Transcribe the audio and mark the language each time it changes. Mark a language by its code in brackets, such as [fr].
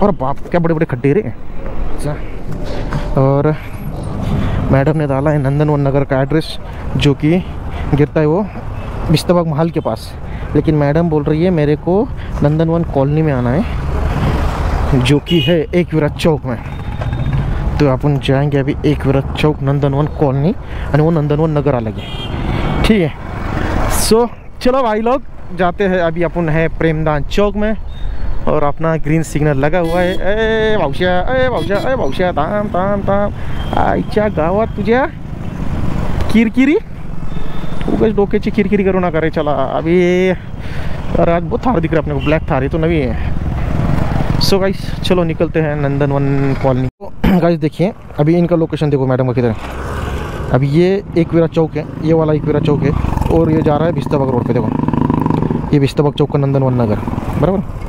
[hi] और बाप क्या बड़े बड़े खड्डे रे। और मैडम ने डाला है नंदन वन नगर का एड्रेस, जो कि गिरता है वो बिस्तबाग महल के पास, लेकिन मैडम बोल रही है मेरे को नंदन वन कॉलोनी में आना है, जो कि है एक विराज चौक में। तो अपन जाएंगे अभी एक विराज चौक नंदन वन कॉलोनी और वो नंदन वन नगर अलग है, ठीक है। सो चलो भाई लोग जाते हैं, अभी अपन है प्रेमदान चौक में और अपना ग्रीन सिग्नल लगा हुआ है। [mr] ए भावशा ताम आईच्या गावात तुझ्या किरकिरी उगच डोक्याची किरकिरी करू नका रे। [hi] चला अभी रात बहुत थार दिख रहा अपने को, ब्लैक थार है तो नवी है। सो गाइस चलो निकलते हैं नंदन वन कॉलोनी। गाइस देखिए अभी इनका लोकेशन देखो मैडम का किधर है। अभी ये एक विरा चौक है, ये वाला एक विरा चौक है और ये जा रहा है बिस्तबाग रोड पे। देखो ये बिस्तबाग चौक का नंदन वन नगर, बराबर।